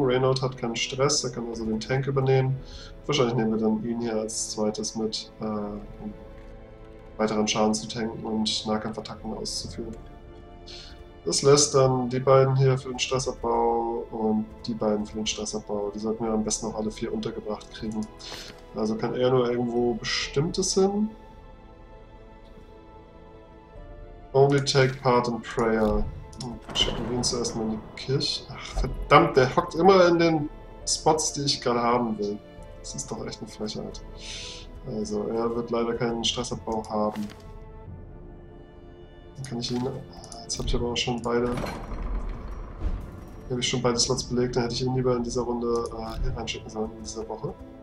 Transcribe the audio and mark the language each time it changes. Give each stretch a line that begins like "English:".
German: Reynold hat keinen Stress, er kann also den Tank übernehmen. Wahrscheinlich nehmen wir dann ihn hier als zweites mit, um weiteren Schaden zu tanken und Nahkampfattacken auszuführen. Das lässt dann die beiden hier für den Stressabbau und die beiden für den Stressabbau. Die sollten wir am besten auch alle vier untergebracht kriegen. Also kann er nur irgendwo Bestimmtes hin.
English: Only take part in prayer.
German: Schicken wir ihn zuerst mal in die Kirche. Ach verdammt, der hockt immer in den Spots, die ich gerade haben will. Das ist doch echt eine Frechheit. Also er wird leider keinen Stressabbau haben. Dann kann ich ihn... Jetzt habe ich aber auch schon beide... Habe ich schon beide Slots belegt, dann hätte ich ihn lieber in dieser Runde hier reinschicken sollen, in dieser Woche.